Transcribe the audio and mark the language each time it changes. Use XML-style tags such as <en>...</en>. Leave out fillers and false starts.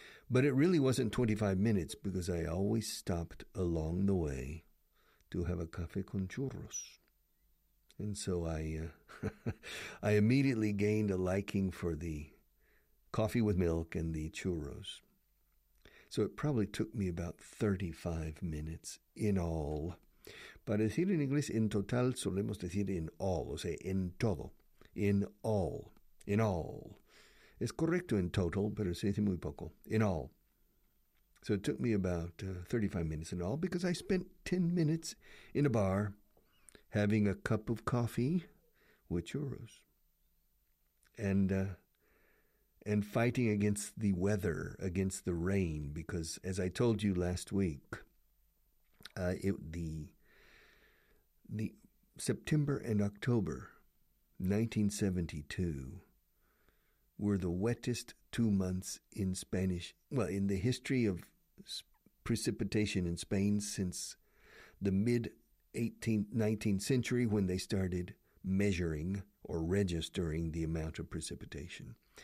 <en>But it really wasn't 25 minutes because I always stopped along the way to have a</en> <es>café con churros.</es> <en>And so I immediately gained a liking for the coffee with milk and the churros. So it probably took me about 35 minutes in all.</en> <es>Para decir en inglés, en total, solemos decir</es> <en>in all,</en> <es>o sea, en todo, in all, in all. Es correcto en total, pero se dice muy poco,</es> <en>in all. So it took me about 35 minutes in all because I spent 10 minutes in a bar having a cup of coffee with churros and fighting against the weather, against the rain, because as I told you last week, the September and October 1972 were the wettest 2 months in Spanish, well, in the history of precipitation in Spain since the mid-19th century when they started measuring or registering the amount of precipitation.</en>